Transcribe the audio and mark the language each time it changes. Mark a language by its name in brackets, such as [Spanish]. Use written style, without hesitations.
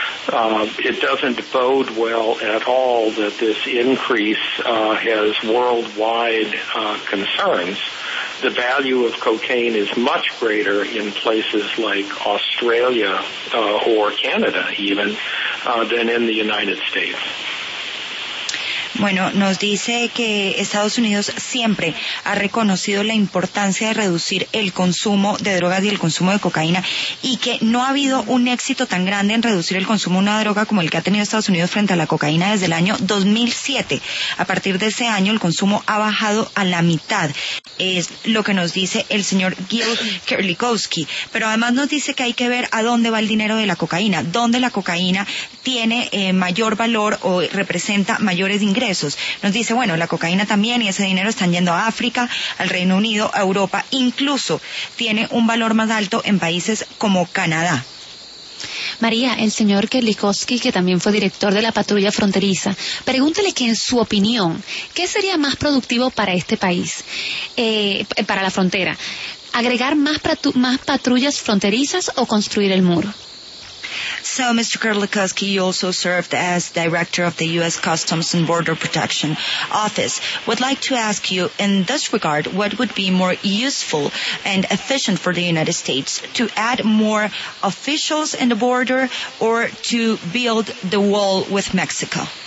[English] It doesn't bode well at all that this increase has worldwide concerns. The value of cocaine is much greater in places like Australia or Canada even than in the United States. [Spanish] Bueno, nos dice que Estados Unidos siempre ha reconocido la importancia de reducir el consumo de drogas y el consumo de cocaína y que no ha habido un éxito tan grande en reducir el consumo de una droga como el que ha tenido Estados Unidos frente a la cocaína desde el año 2007. A partir de ese año el consumo ha bajado a la mitad, es lo que nos dice el señor Gil Kerlikowski. Pero además nos dice que hay que ver a dónde va el dinero de la cocaína, dónde la cocaína tiene mayor valor o representa mayores ingresos. Nos dice, bueno, la cocaína también y ese dinero están yendo a África, al Reino Unido, a Europa, incluso tiene un valor más alto en países como Canadá. María, el señor Kerlikowski, que también fue director de la patrulla fronteriza, pregúntele que en su opinión, ¿qué sería más productivo para este país, para la frontera? ¿Agregar más patrullas fronterizas o construir el muro? [English] So, Mr. Kerlikowski, you also served as director of the U.S. Customs and Border Protection Office. Would like to ask you, in this regard, what would be more useful and efficient for the United States, to add more officials in the border or to build the wall with Mexico?